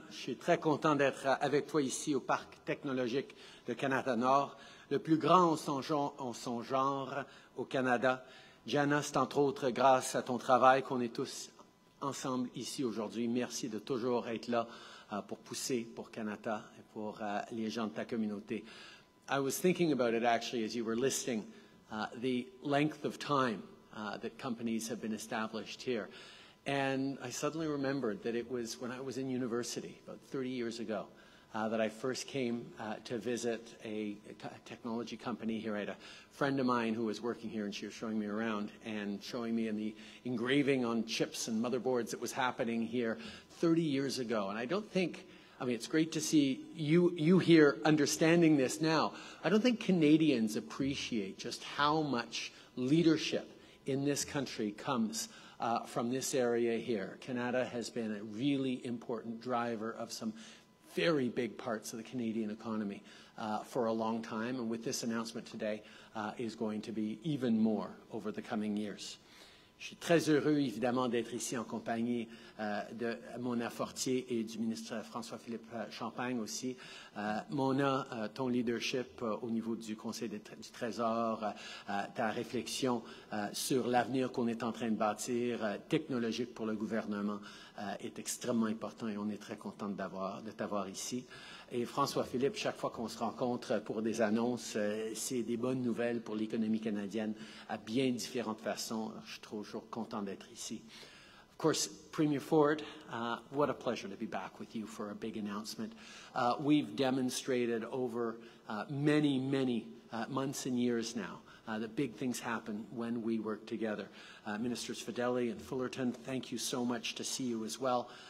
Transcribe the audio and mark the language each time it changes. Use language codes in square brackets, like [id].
[fr] Je suis très content d'être avec toi ici au Parc technologique de Canada Nord, le plus grand en son genre au Canada. Jenna, c'est entre autres grâce à ton travail qu'on est tous ensemble ici aujourd'hui. Merci de toujours être là pour pousser pour Canada et pour les gens de ta communauté. [en] I was thinking about it actually as you were listing the length of time that companies have been established here. And I suddenly remembered that it was when I was in university, about 30 years ago, that I first came to visit a technology company here. I had a friend of mine who was working here, and she was showing me around and showing me in the engraving on chips and motherboards that was happening here 30 years ago. And I don't think, I mean, it's great to see you here understanding this now. I don't think Canadians appreciate just how much leadership in this country comes from this area here. Canada has been a really important driver of some very big parts of the Canadian economy for a long time, and with this announcement today is going to be even more over the coming years. [fr] Je suis très heureux, évidemment, d'être ici en compagnie de Mona Fortier et du ministre François-Philippe Champagne aussi. Mona, ton leadership au niveau du Conseil du Trésor, ta réflexion sur l'avenir qu'on est en train de bâtir technologique pour le gouvernement est extrêmement importante et on est très content de t'avoir ici. Et François-Philippe, chaque fois qu'on se rencontre pour des annonces, c'est des bonnes nouvelles pour l'économie canadienne à bien différentes façons. Alors, je suis toujours content d'être ici. [en] Of course, Premier Ford, what a pleasure to be back with you for a big announcement. We've demonstrated over many, many months and years now that big things happen when we work together. Ministers Fedeli and Fullerton, thank you so much to see you as well.